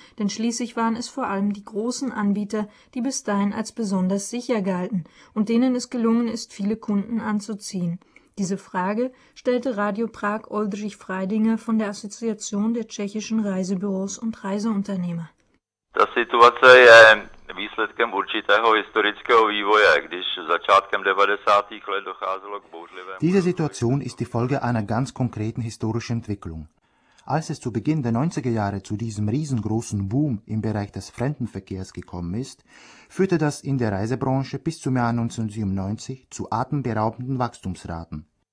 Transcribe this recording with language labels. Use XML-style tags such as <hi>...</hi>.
<de>Denn schließlich waren es vor allem die großen Anbieter, die bis dahin als besonders sicher galten und denen es gelungen ist, viele Kunden anzuziehen. Diese Frage stellte Radio Prag Oldřich Freidinger von der Assoziation der tschechischen Reisebüros und Reiseunternehmer.</de> <cs>Ta situace je výsledkem určitého historického vývoje, když začátkem 90. let docházelo k bouřlivému.</cs> <de>Diese Situation ist die Folge einer ganz konkreten historischen Entwicklung. Als es zu Beginn der 90er Jahre zu diesem riesengroßen Boom im Bereich des Fremdenverkehrs gekommen ist, führte das in der Reisebranche bis zum Jahr 1997 zu atemberaubenden Wachstumsraten.</de>